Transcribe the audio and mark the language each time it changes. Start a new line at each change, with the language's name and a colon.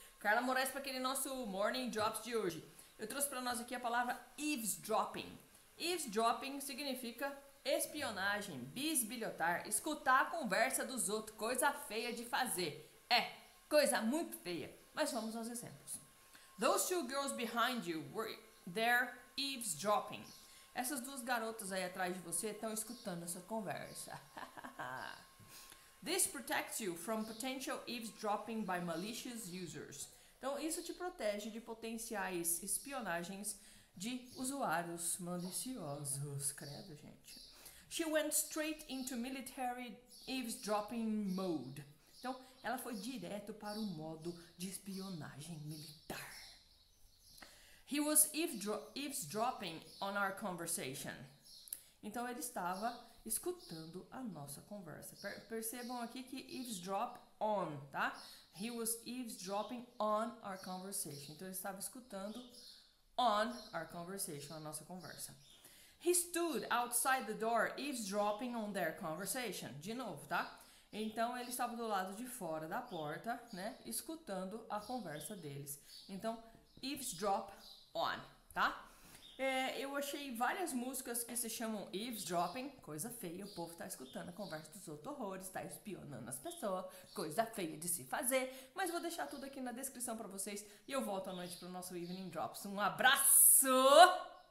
Portuguese: Carla Moraes para aquele nosso morning drops de hoje. Eu trouxe para nós aqui a palavra eavesdropping. Eavesdropping significa espionagem, bisbilhotar, escutar a conversa dos outros, coisa feia de fazer. É, coisa muito feia. Mas vamos aos exemplos.
English: Those two girls behind you were there eavesdropping.
Portuguese: Essas duas garotas aí atrás de você estão escutando essa conversa.
English: This protects you from potential eavesdropping by malicious users.
Portuguese: Então, isso te protege de potenciais espionagens de usuários maliciosos. Credo, gente.
English: She went straight into military eavesdropping mode.
Portuguese: Então, ela foi direto para o modo de espionagem militar.
English: He was eavesdropping on our conversation.
Portuguese: Então, ele estava escutando a nossa conversa. Percebam aqui que eavesdrop on, tá?
English: He was eavesdropping on our conversation.
Portuguese: Então, ele estava escutando
English: on our conversation,
Portuguese: a nossa conversa.
English: He stood outside the door eavesdropping on their conversation.
Portuguese: De novo, tá? Então, ele estava do lado de fora da porta, né? Escutando a conversa deles. Então, eavesdrop on, tá? É, eu achei várias músicas que se chamam eavesdropping, coisa feia, o povo tá escutando a conversa dos outros horrores, tá espionando as pessoas, coisa feia de se fazer, mas vou deixar tudo aqui na descrição pra vocês e eu volto à noite pro nosso Evening Drops. Um abraço!